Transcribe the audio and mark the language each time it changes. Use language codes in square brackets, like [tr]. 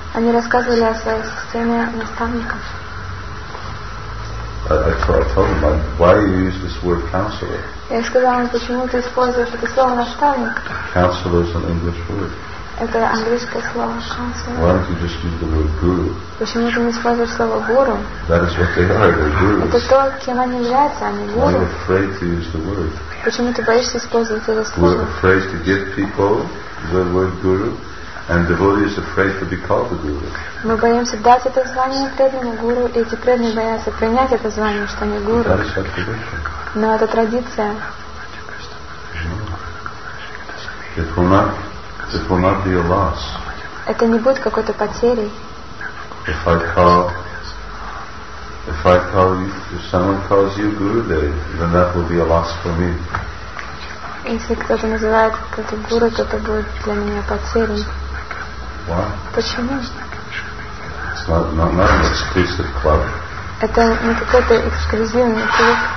[ru] Они рассказывали о своей системе наставников. [en] I told him, why do you use this word counselor? [ru] Я сказал ему, почему ты используешь это слово наставник? [en] Counselor is an English word. [ru] Это английское слово counselor. [en] Why don't you just use the word guru? [ru] Почему ты не используешь слово гуру? [en] That is what they are, they're gurus. [ru] Это то, кем они являются, они гуру. [en] Why are you afraid to use the word? [ru] Почему ты боишься использовать это слово? [en] We're afraid to give people the word guru, and devotee is afraid to be called the guru. [ru] Мы боимся дать это звание преданному гуру, и эти преданные боятся принять это звание, что они гуру. [en] That is what tradition. [ru] Но это традиция. [en] It will not be a loss. [ru] Это не будет какой-то потерей. [en] If someone calls you Gurudev, then that will be a loss for me. [ru] Если кто-то называет кого-то гуру, то это будет для меня потерей. [en] Why? [ru] Почему? [en] It's not an exclusive club. [ru] Это не какой-то эксклюзивный клуб.